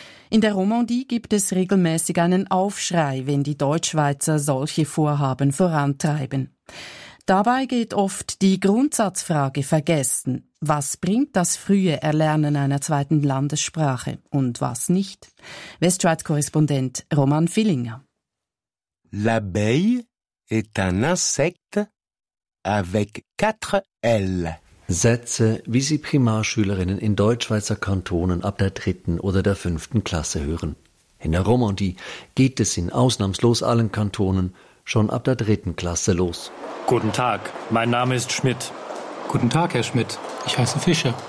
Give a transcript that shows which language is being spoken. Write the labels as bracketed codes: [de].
[de] In der Romandie gibt es regelmäßig einen Aufschrei, wenn die Deutschschweizer solche Vorhaben vorantreiben. Dabei geht oft die Grundsatzfrage vergessen. Was bringt das frühe Erlernen einer zweiten Landessprache und was nicht? Westschweiz-Korrespondent Roman Villinger. [fr] L'abeille est un insecte avec quatre L. [de] Sätze, wie sie Primarschülerinnen in Deutschschweizer Kantonen ab der 3. oder der 5. Klasse hören. In der Romandie geht es in ausnahmslos allen Kantonen schon ab der 3. Klasse los. Guten Tag, mein Name ist Schmidt. Guten Tag, Herr Schmidt, ich heiße Fischer.